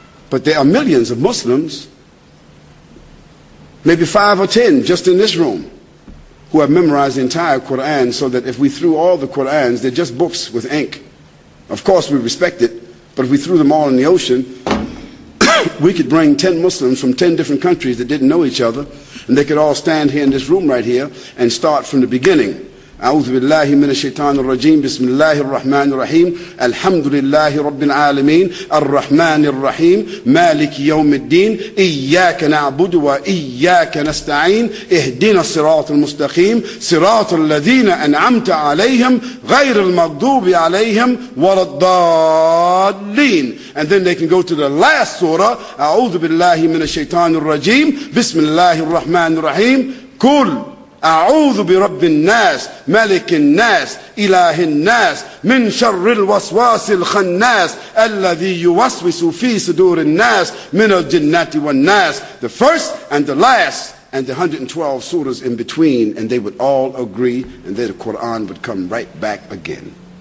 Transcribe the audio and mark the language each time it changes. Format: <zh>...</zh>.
<en>But there are millions of Muslims, maybe 5 or 10 just in this room, who have memorized the entire Quran, so that if we threw all the Qurans, they're just books with ink. Of course, we respect it, but if we threw them all in the ocean, we could bring 10 Muslims from 10 different countries that didn't know each other, and they could all stand here in this room right here and start from the beginning.</en> <ar>أعوذ بالله من الشيطان الرجيم بسم الله الرحمن الرحيم الحمد لله رب العالمين الرحمن الرحيم مالك يوم الدين إياك نعبد وإياك نستعين اهدنا الصراط المستقيم صراط الذين أنعمت عليهم غير المغضوب عليهم ولا الضالين.</ar> <en>And then they can go to the last surah.</en> <ar>أعوذ بالله من الشيطان الرجيم بسم الله الرحمن الرحيم كل أعوذ برب الناس ملك الناس إله الناس من شر الوسواس الخناس الذي يوسوس في صدور الناس من الجنة والناس.</ar> <en>The first and the last and the 112 surahs in between, and they would all agree, and then the Quran would come right back again.</en>